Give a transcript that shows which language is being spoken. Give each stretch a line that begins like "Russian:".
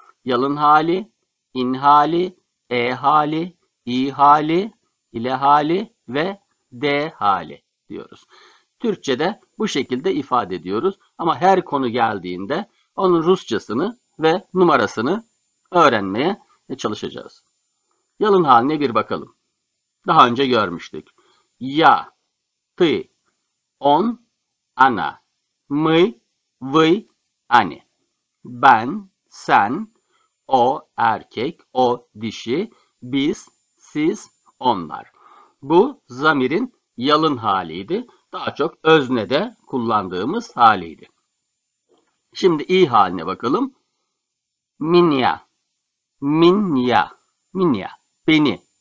Turkish: Yalın hali, in hali, e hali, i hali, ile hali ve d hali diyoruz. Türkçe'de bu şekilde ifade ediyoruz ama her konu geldiğinde onun Rusçasını ve numarasını öğrenmeye çalışacağız. Yalın haline bir bakalım. Daha önce görmüştük.
Russian: Ya, ты, он, она, мы, вы, они.
Turkish: Ben, sen, o, erkek, o, dişi, biz, siz, onlar. Bu zamirin yalın haliydi. Daha çok öznede kullandığımız haliydi. Şimdi i haline bakalım.
Russian: Minya, minya, minya,
Turkish: beni.